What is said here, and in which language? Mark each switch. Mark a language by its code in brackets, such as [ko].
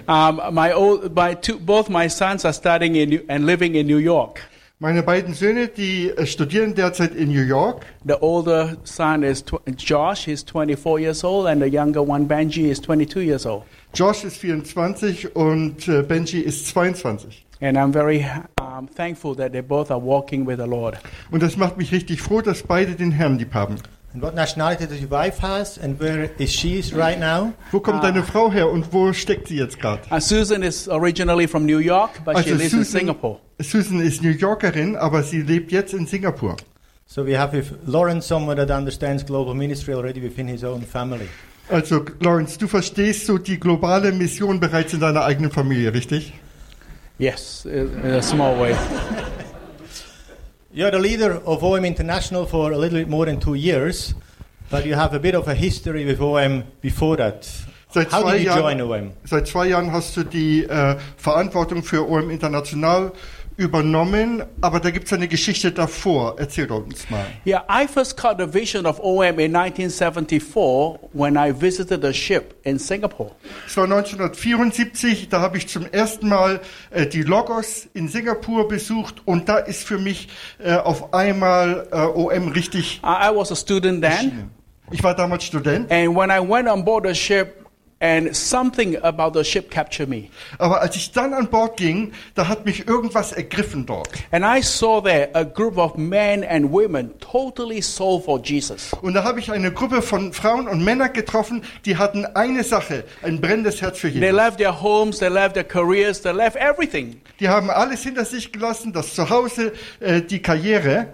[en] Both my sons are studying and living in New York. [de] Meine beiden Söhne, die studieren derzeit in New York. [en] The older son is Josh, he's 24 years old, and the younger one, Benji, is 22 years old. [de] Josh ist 24 und Benji ist 22. [en] And I'm very thankful that they both are walking with the Lord. [de] Und das macht mich richtig froh, dass beide den Herrn lieb haben. [en] And what nationality does your wife has, and where is she right now? [de] Wo kommt deine Frau her und wo steckt sie jetzt gerade? [en] Susan is originally from New York, but also she lives in Singapore. [de] Susan ist New Yorkerin, aber sie lebt jetzt in Singapur. [en] So we have with Lawrence someone that understands global ministry already within his own family. [de] Also Lawrence, du verstehst so die globale Mission bereits in deiner eigenen Familie, richtig? [en] Yes, in a small way. You're the leader of OM International for a little bit more than 2 years, but you have a bit of a history with OM before that. [de] Seit 2 Jahren hast du die Verantwortung für OM International übernommen, aber da gibt es eine Geschichte davor. Erzähl uns mal. [en] Yeah, I first caught the vision of OM in 1974 when I visited a ship in Singapore. [de] Es war 1974, da habe ich zum ersten Mal die Logos in Singapur besucht und da ist für mich auf einmal OM richtig. [en] I was a student then. [de] Ich war damals Student. [en] And when I went on board the ship, and something about the ship captured me. [de] Aber als ich dann an Bord ging, da hat mich irgendwas ergriffen dort. [en] And I saw there a group of men and women totally sold for Jesus. [de] Und da habe ich eine Gruppe von Frauen und Männern getroffen, die hatten eine Sache, ein brennendes Herz für Jesus. [en] They left their homes, they left their careers, they left everything. [de] Die haben alles hinter sich gelassen, das Zuhause, die Karriere.